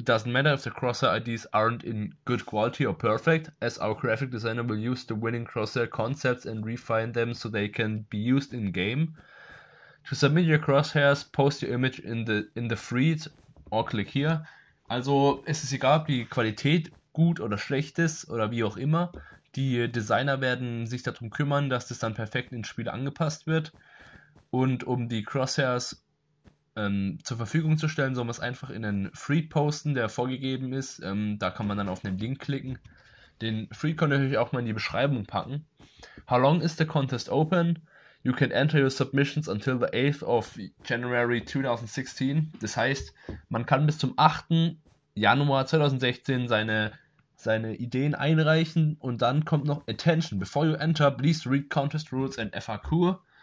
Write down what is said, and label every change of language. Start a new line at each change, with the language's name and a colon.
English: It doesn't matter if the crosshair IDs aren't in good quality or perfect, as our graphic designer will use the winning crosshair concepts and refine them so they can be used in game. To submit your crosshairs, post your image in the feed or click here.
German: Also es ist egal, ob die Qualität gut oder schlecht ist oder wie auch immer. Die Designer werden sich darum kümmern, dass das dann perfekt ins Spiel angepasst wird. Und um die Crosshairs zur Verfügung zu stellen, soll man es einfach in einen Free posten, der vorgegeben ist. Da kann man dann auf den Link klicken. Den Free könnt ihr natürlich auch mal in die Beschreibung packen.
English: How long is the contest open? You can enter your submissions until the 8th of January 2016.
German: Das heißt, man kann bis zum 8. Januar 2016 seine Ideen einreichen und dann kommt noch Attention.
English: Before you enter, please read contest rules and FAQ.